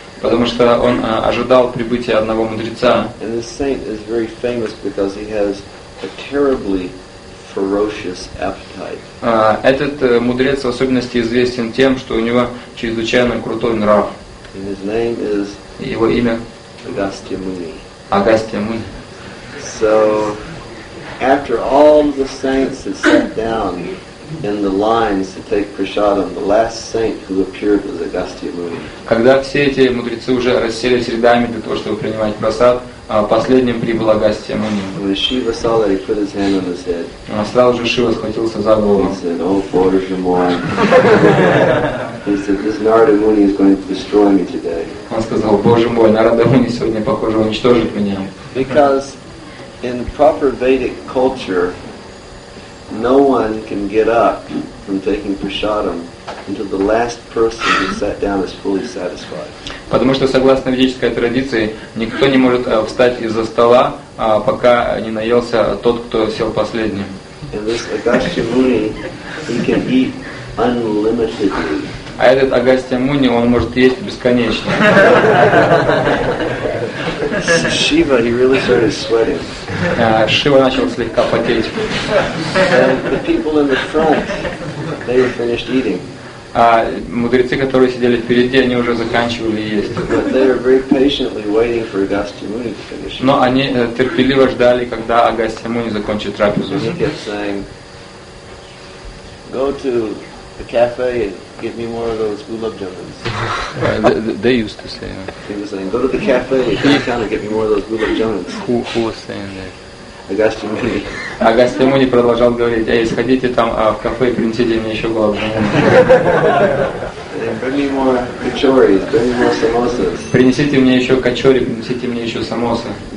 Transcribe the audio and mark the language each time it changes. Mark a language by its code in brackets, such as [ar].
[ru] Потому что он ожидал прибытия одного мудреца. [en] And this saint is very famous because he has a terribly ferocious appetite. [ru] Этот мудрец в особенности известен тем, что у него чрезвычайно крутой нрав. [en] And his name is [ru] его имя Агастья Муни. Агастья Муни. [en] So after all the saints had sat down in the lines to take prasadam, the last saint who appeared was Агастья Муни. [ru] Когда все эти мудрецы уже расселись рядами для того, чтобы принимать прасад, последним прибыл Агастья Муни. [en] When Shiva saw that, he put his hand on his head. [ru] Сразу же Шива схватился за голову. [en] He said, "Oh, Bodhi Mohan." He said, "This Narada Muni is going to destroy me today." [ru] Он сказал, "Боже мой, Нарада Муни сегодня похоже уничтожит меня." [en] Because in proper Vedic culture, no one can get up from taking prasadam until the last person who sat down is fully satisfied. [ru] Потому что согласно ведической традиции никто не может встать из-за стола, пока не наелся тот, кто сел последним. [en] And this Agastya Muni, he can eat unlimitedly. [ru] А этот Агастья Муни, он может есть бесконечно. [en] Shiva, he really started sweating. [ru] Шива начал слегка потеть. [en] And the people in the front, they were finished eating. [ru] А мудрецы, которые сидели впереди, они уже заканчивали есть. [en] But they were very patiently waiting for Agastya Muni to finish. [ru] Но они терпеливо ждали, когда Агастья Муни закончит трапезу. [en] He kept saying, "Go to the cafe and give me more of those gulab jamuns." They used to say. He was saying, "Go to the cafe and come down and give me more of those gulab jamuns." Who was saying that? [ru] Агастья Муни продолжал говорить: «Эй, сходите там в кафе и принесите мне еще гулаб джамун. Принесите мне еще качори, принесите мне еще самосы.